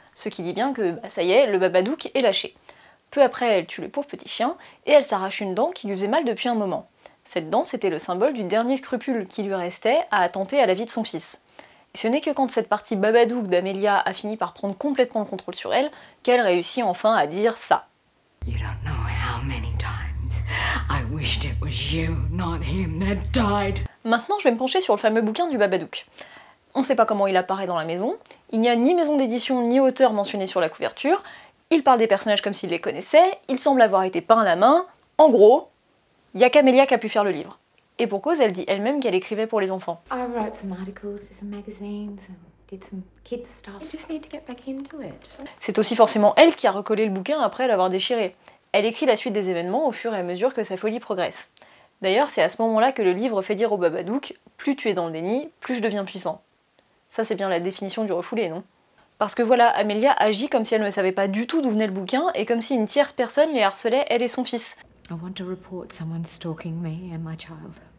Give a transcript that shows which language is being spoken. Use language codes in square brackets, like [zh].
[fr] Ce qui dit bien que, ça y est, le Babadook est lâché. Peu après, elle tue le pauvre petit chien et elle s'arrache une dent qui lui faisait mal depuis un moment. Cette dent, c'était le symbole du dernier scrupule qui lui restait à attenter à la vie de son fils. Et ce n'est que quand cette partie babadook d'Amelia a fini par prendre complètement le contrôle sur elle, qu'elle réussit enfin à dire ça. [en] You don't know how many times I wished it was you, not him that died. [fr] Maintenant, je vais me pencher sur le fameux bouquin du Babadook. On ne sait pas comment il apparaît dans la maison, il n'y a ni maison d'édition ni auteur mentionné sur la couverture, il parle des personnages comme s'il les connaissait, il semble avoir été peint à la main, en gros, il n'y a qu'Amelia qui a pu faire le livre. Et pour cause, elle dit elle-même qu'elle écrivait pour les enfants. [en] I wrote some articles for some magazines and did some kids stuff. I just need to get back into it. [fr] C'est aussi forcément elle qui a recollé le bouquin après l'avoir déchiré. Elle écrit la suite des événements au fur et à mesure que sa folie progresse. D'ailleurs, c'est à ce moment-là que le livre fait dire au Babadook « Plus tu es dans le déni, plus je deviens puissant ». Ça, c'est bien la définition du refoulé, non? Parce que voilà, Amelia agit comme si elle ne savait pas du tout d'où venait le bouquin et comme si une tierce personne les harcelait, elle et son fils. [en] I want to report someone stalking me and my child.